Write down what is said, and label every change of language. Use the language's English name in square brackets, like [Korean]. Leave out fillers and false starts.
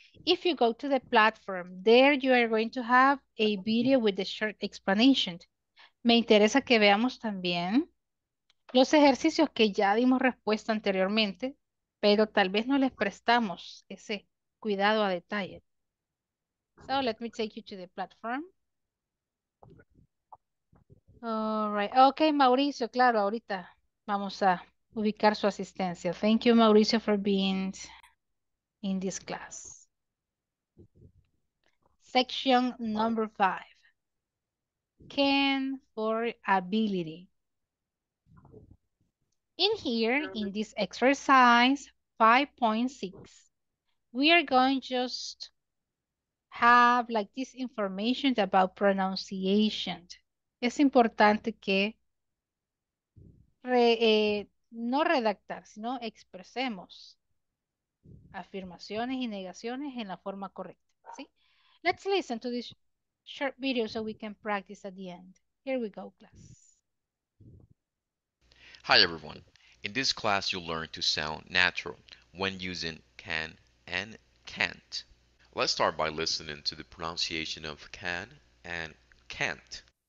[English] If you go to the platform, there you are going to have a video with a short explanation. [Spanish] Me interesa que veamos también los ejercicios que ya dimos respuesta anteriormente, pero tal vez no les prestamos ese cuidado a detalle. [English] So let me take you to the platform. All right. [Spanish] Okay, Mauricio, claro, ahorita vamos a ubicar su asistencia. [English] Thank you, Mauricio, for being in this class. Section number 5. Can for ability. In here, in this exercise 5.6, we are going just have like this information about pronunciation. [Spanish] Es importante que no redactar, sino expresemos afirmaciones y negaciones en la forma correcta, ¿sí? [English] Let's listen to this short video so we can practice at the end. Here we go, class. Hi, everyone. In this class, you'll learn to sound natural when using can and can't. Let's start by listening to the pronunciation of can and can't.